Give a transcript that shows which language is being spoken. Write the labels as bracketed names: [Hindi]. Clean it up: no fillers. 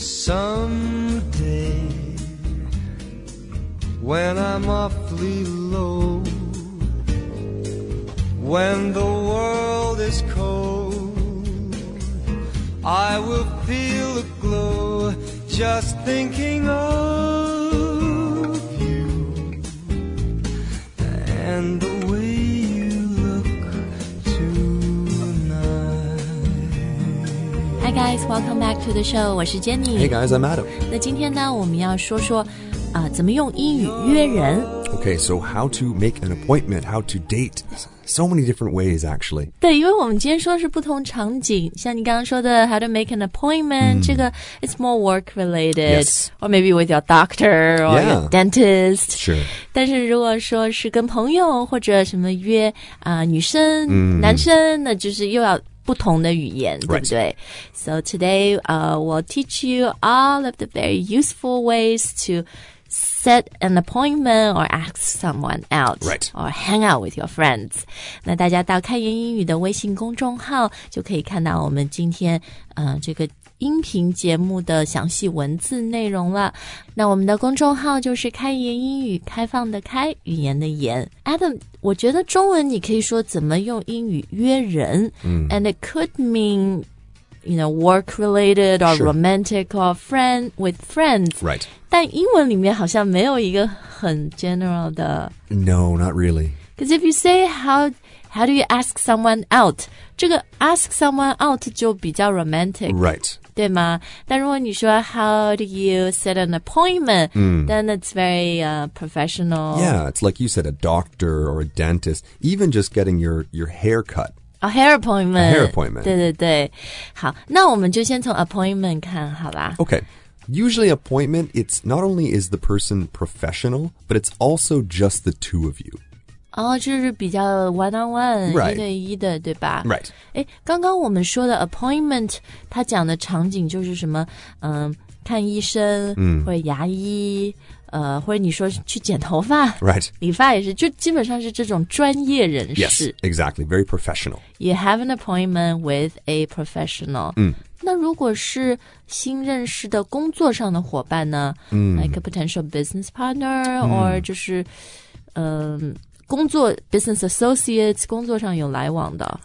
[English] Someday, when I'm awfully low, when the world is cold, I will feel a glow just thinking of you and the way you look tonight. Hi guys, welcome back to the show. [Chinese] 我是 Jenny. [English] Hey guys, I'm Adam. [Chinese] 那今天呢，我们要说说啊，怎么用英语约人。 [English] Okay, so how to make an appointment, how to date. So many different ways, actually. [Chinese] 对，因为我们今天说的是不同场景，像你刚刚说的 [English] how to make an appointment,、 [Chinese] 这个 [English] it's more work related. Yes. Or maybe with your doctor or、 yeah. your dentist. Sure. [Chinese] 但是如果说是跟朋友或者什么约、女生、男生，那就是又要不同的语言、 [English] right. [Chinese] 对不对 [English] So today,、we'll teach you all of the very useful ways toset an appointment or ask someone out、 right. or hang out with your friends. [Chinese] 那大家到开言英语的微信公众号就可以看到我们今天、这个音频节目的详细文字内容了。那我们的公众号就是开言英语，开放的开，语言的言。 Adam, 我觉得中文你可以说怎么用英语约人、 [English] and it could meanYou know, work-related or、 sure. romantic or friend, with friends. Right. [Chinese] 但英文里面好像没有一个很 general 的 [English] No, not really. Because if you say how do you ask someone out, [Chinese] 这个 [English] ask someone out [Chinese] 就比较 [English] romantic. Right. [Chinese] 对吗？但如果你说 [English] how do you set an appointment,、then it's very、professional. Yeah, it's like you said, a doctor or a dentist, even just getting your hair cut. A hair appointment. A hair appointment. [Chinese] 对对对。好，那我们就先从 appointment 看好啦。 [English] Okay. Usually appointment, it's not only is the person professional, but it's also just the two of you. [Chinese] 哦，就是比较 one-on-one, 一对一的，对吧 [English] ?Right. [Chinese] 诶，刚刚我们说的 appointment, 它讲的场景就是什么、看医生、或者牙医。或者你说去剪头发 [English] Right. [Chinese] 理发也是就基本上是这种专业人士 [English] Yes, exactly, very professional You have an appointment with a professional、 [Chinese] 那如果是新认识的工作上的伙伴呢、 [English] Like a potential business partner、 [Chinese] Or 就是、工作 business associates 工作上有来往的